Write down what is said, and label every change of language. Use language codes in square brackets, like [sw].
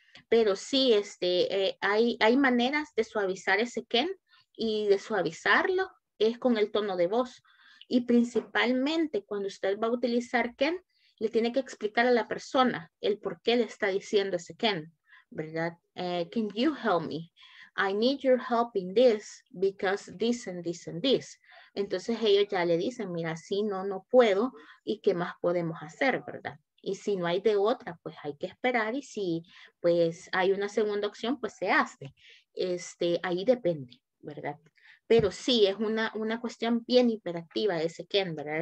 [es] Pero sí, hay maneras de suavizar ese can, y de suavizarlo es con el tono de voz. Y principalmente cuando usted va a utilizar can, le tiene que explicar a la persona el por qué le está diciendo ese can, ¿verdad? [en] Can you help me? I need your help in this because this and this and this. [es] Entonces ellos ya le dicen, mira, si no puedo, ¿y qué más podemos hacer, verdad? Y si no hay de otra, pues hay que esperar, y si pues hay una segunda opción, pues se hace. Ahí depende, ¿verdad? Pero sí, es una cuestión bien imperativa ese can, ¿verdad?